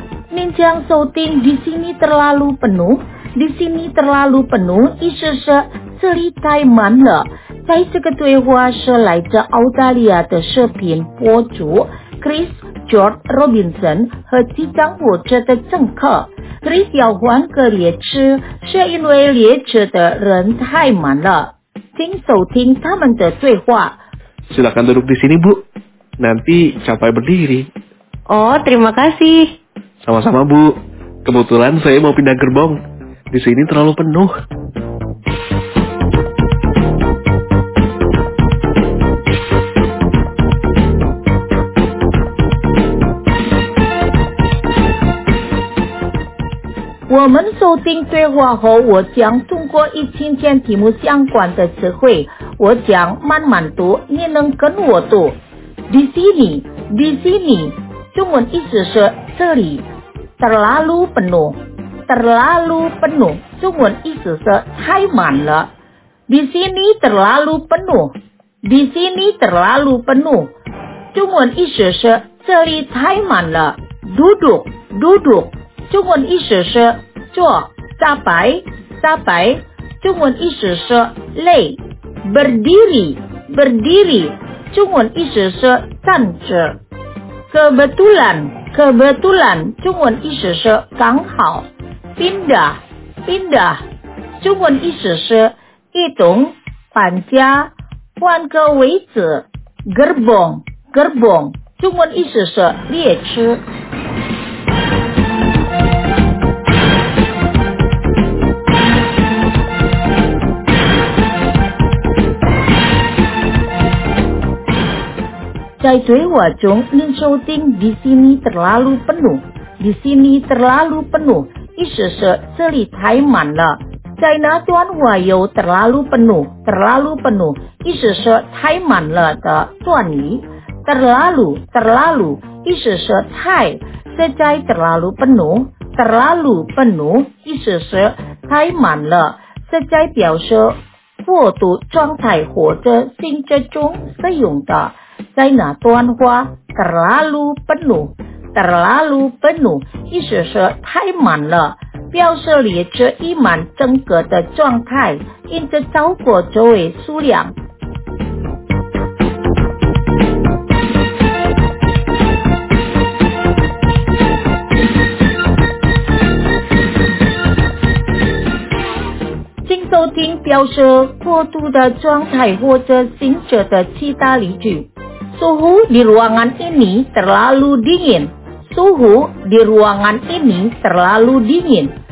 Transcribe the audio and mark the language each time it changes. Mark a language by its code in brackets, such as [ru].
[zh] 面向收听， [id] di sini terlalu penuh, [zh] di sini terlalu penuh, 意思是这里太满了。在这个对话是来自澳大利亚的视频博主 Chris George Robinson 和机场火车的乘客。 Chris 要换个列车是因为列车的人太满了。请收听他们的对话。 [id] Silakan duduk di sini bu, nanti capai berdiri. Oh, terima kasih. Sama-sama bu, kebetulan saya mau pindah gerbong, di sini terlalu penuh. [zh] 我们收听对话后，我将通过与今天题目相关的词汇，我将慢慢读，你能跟我读。 [id] Di sini, di sini, [zh] 中文意思是这里。 [id] Terlalu penuh, terlalu penuh, [zh] 中文意思是太满了。 [id] Di sini terlalu penuh, [zh] di sini terlalu penuh, 中文意思是这里太满了。 [id] Duduk, duduk. [zh] 中文意思是坐，扎白，扎白。中文意思是累 ， [id] berdiri， berdiri。 [zh] 中文意思是站着。 [id] Kebetulan， kebetulan。 [zh] 中文意思是刚好。 [id] Pindah， pindah。 [zh] 中文意思是移动，搬家，换个位置。 [id] Gerbong， gerbong。 [zh] 中文意思是列车。在对话中，您收听 [id] di sini terlalu penuh， [zh] di sini terlalu penuh， 意思是这里太满了。在那段话有 [id] terlalu penuh， terlalu penuh， [zh] 意思是太满了的段语。 [id] terlalu， terlalu， [zh] 意思是太，现在 [id] terlalu penuh， terlalu penuh， [zh] 意思是太满了，现在表示过度状态或者性质中使用的。在那段话 [id] terlalu penuh， terlalu penuh， [zh] 意思是太满了，表示列车已满整个的状态，因此超过周围数量。请收听表示过度的状态或者行者的其他例句。 [id] Suhu di ruangan ini terlalu dingin. Suhu di ruangan ini terlalu dingin.